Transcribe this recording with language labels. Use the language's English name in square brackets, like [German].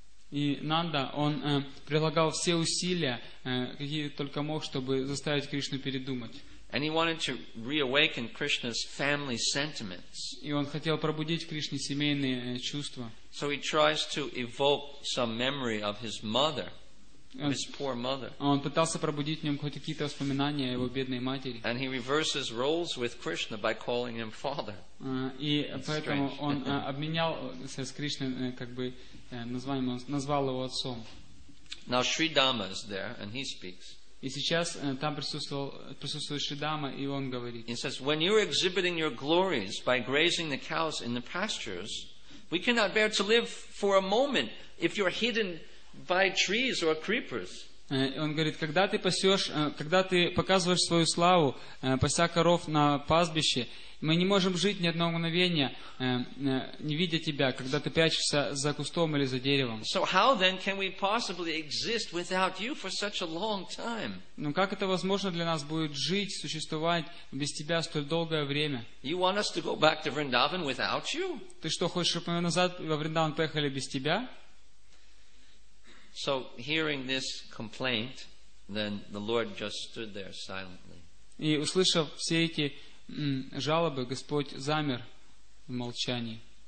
[Russian] И Нанда, он прилагал все усилия, какие только мог, чтобы заставить Кришну передумать. [English] And he wanted to reawaken Krishna's family sentiments. [Russian] И он хотел пробудить в Кришне семейные чувства. [English] So he tries to evoke some memory of his mother, his poor mother. [Russian] Он пытался пробудить в нем хоть какие-то воспоминания о его бедной матери. [English] And he reverses roles with Krishna by calling him father. [Russian] И поэтому он обменял с Кришной как бы название, назвал его отцом. [English] Now Sri Dama is there, and he speaks. [Russian] И сейчас там присутствует Шридама, и он говорит. [English] He says, when you are exhibiting your glories by grazing the cows in the pastures, we cannot bear to live for a moment if you are hidden by trees or creepers. [Russian] Он говорит, когда ты пасешь, когда ты показываешь свою славу, пася коров на пастбище, мы не можем жить ни одного мгновения, не видя тебя, когда ты прячешься за кустом или за деревом. [English] So how then can we possibly exist without you for such a long time? [Russian] Ну как это возможно для нас будет жить, существовать без тебя столь долгое время? [English] You want us to go back to Vrindavan without you? [Russian] Ты что, хочешь, чтобы мы назад во Вриндаван поехали без тебя? [English] So hearing this complaint, then the Lord just stood there silently. [Russian] И услышав все эти жалобы, Господь замер в молчании.